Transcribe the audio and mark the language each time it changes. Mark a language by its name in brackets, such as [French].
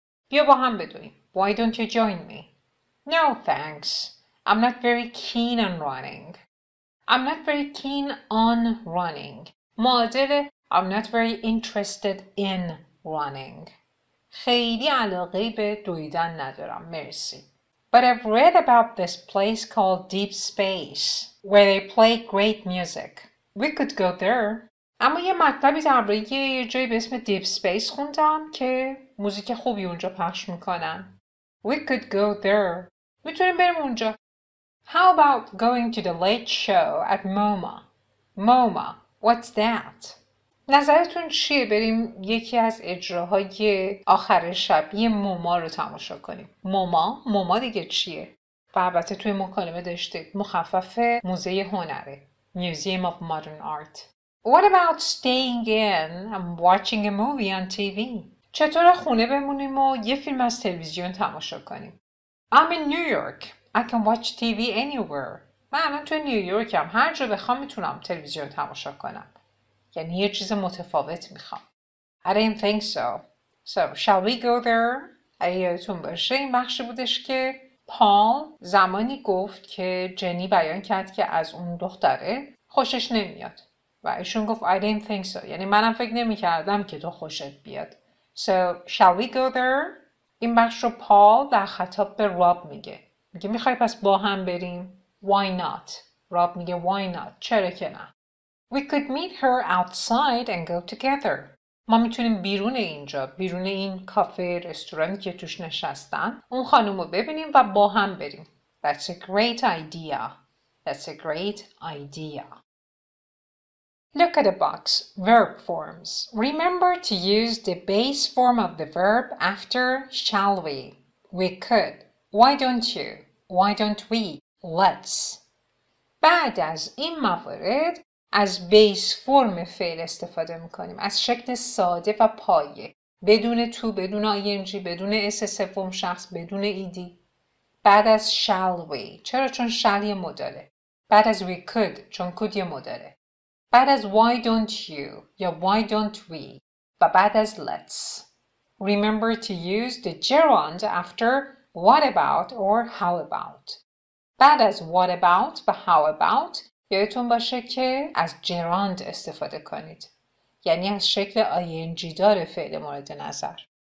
[Persian] بیا با هم بدویم. [English] Why don't you join me? No, thanks. I'm not very keen on running. I'm not very keen on running. معادل I'm not very interested in running. [Persian] خیلی علاقه به دویدن ندارم. مرسی. [English] But I've read about this place called Deep Space, where they play great music. We could go there. [Persian] اما یه مطلبی درباره یه جایی به اسم Deep Space خوندم که موزیک خوبی اونجا پخش میکنن. [English] We could go there. [Persian] میتونیم بریم اونجا. [English] How about going to the late show at MoMA? MoMA, what's that? [Persian] نظرتون چیه بریم یکی از اجراهای آخر شب یه موما رو تماشا کنیم. موما؟ موما دیگه چیه؟ و البته توی مکالمه داشتید مخفف موزه هنره. [English] Museum of Modern Art. What about staying in and watching a movie on TV? [Persian] چطور خونه بمونیم و یه فیلم از تلویزیون تماشا کنیم؟ [English] I'm in New York. I can watch TV anywhere. [Persian] من الان توی نیویورکم. هر جا بخوام میتونم تلویزیون تماشا کنم. یعنی یه چیز متفاوت میخوام. [English] I don't think so. So, shall we go there? [Persian] اگه یادتون باشه این بخشی بودش که پال زمانی گفت که جنی بیان کرد که از اون دختره خوشش نمیاد. و ایشون گفت [English] I don't think so. [Persian] یعنی منم فکر نمیکردم که تو خوشت بیاد. [English] So, shall we go there? [Persian] این بخش رو پال در خطاب به راب میگه. میگه میخوای پس با هم بریم؟ [English] Why not? [Persian] راب میگه [English] why not? [Persian] چرا که نه؟ [English] We could meet her outside and go together. [Persian] ما میتونیم بیرون اینجا، بیرون این کافه، رستورانی که توش نشستن، اون خانوم رو ببینیم و با هم بریم. [English] That's a great idea. That's a great idea. Look at the box. Verb forms. Remember to use the base form of the verb after shall we. We could. Why don't you? Why don't we? Let's. [Persian] بعد از این موارد از بیس فرم فعل استفاده میکنیم. از شکل ساده و پایه. بدون تو، بدون ing، بدون اس سوم شخص، بدون ed. بعد از shall we. چرا؟ چون shall یه مداره. بعد از [English] we could. [Persian] چون could یه مداره. بعد از [English] why don't you [Persian] یا [English] why don't we. [Persian] و بعد از let's. [English] Remember to use the gerund after what about or how about. [Persian] بعد از what about و how about یادتون باشه که از gerund استفاده کنید. یعنی از شکل ing دار فعل مورد نظر.